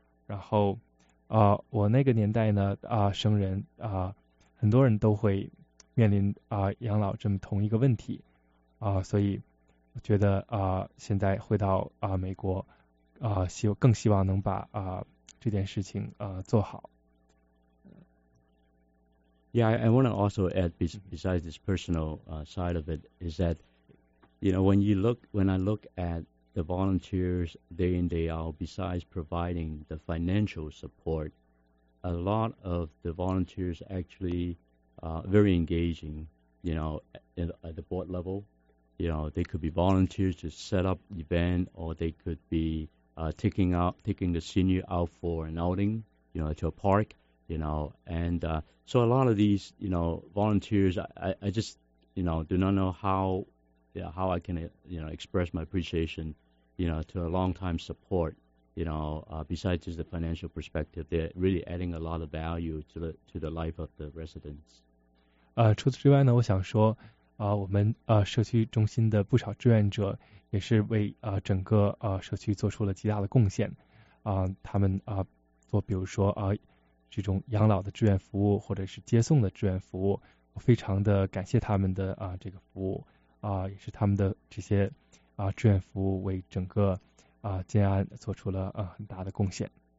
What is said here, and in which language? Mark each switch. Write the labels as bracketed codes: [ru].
[zh] 然后我那个年代呢生人很多人都会面临养老这么同一个问题所以我觉得现在回到美国更希望能把这件事情做好。 [en] Yeah, I want to also add besides this personal side of it is that, you know, when I look at the volunteers day in, day out, besides providing the financial support, a lot of the volunteers actually very engaging, you know, at the board level. You know, they could be volunteers to set up event, or they could be taking the senior out for an outing, you know, to a park. You know, and so a lot of these, you know, volunteers, I just, you know, do not know how I can, you know, express my appreciation, you know, to a long-time support, you know, besides just the financial perspective, they're really adding a lot of value to the life of the residents. [zh] 除此之外呢，我想说，我们社区中心的不少志愿者也是为整个社区做出了极大的贡献，他们做比如说这种养老的志愿服务或者是接送的志愿服务，我非常的感谢他们的这个服务也是他们的这些志愿服务为整个建安做出了很大的贡献。